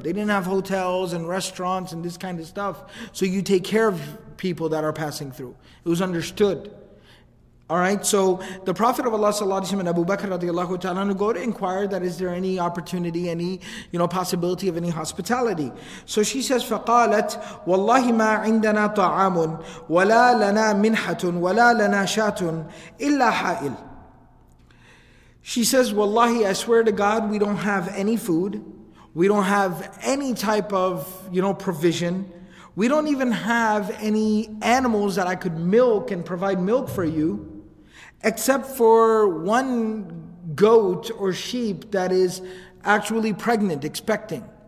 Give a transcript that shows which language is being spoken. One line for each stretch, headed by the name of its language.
English: They didn't have hotels and restaurants and this kind of stuff. So you take care of people that are passing through. It was understood. Alright, so the Prophet of Allah sallallahu alaihi wasallam and Abu Bakr radiallahu ta'ala go to inquire that is there any opportunity, any, you know, possibility of any hospitality. So she says,
Arabic: فَقَالَتْ وَاللَّهِ مَا عِنْدَنَا طَعَامٌ وَلَا لَنَا مِنْحَةٌ وَلَا لَنَا شَاتٌ إِلَّا حَائِلٌ.
English: She says, wallahi, I swear to God, we don't have any food. We don't have any type of, you know, provision. We don't even have any animals that I could milk and provide milk for you, except for one goat or sheep that is actually pregnant, expecting.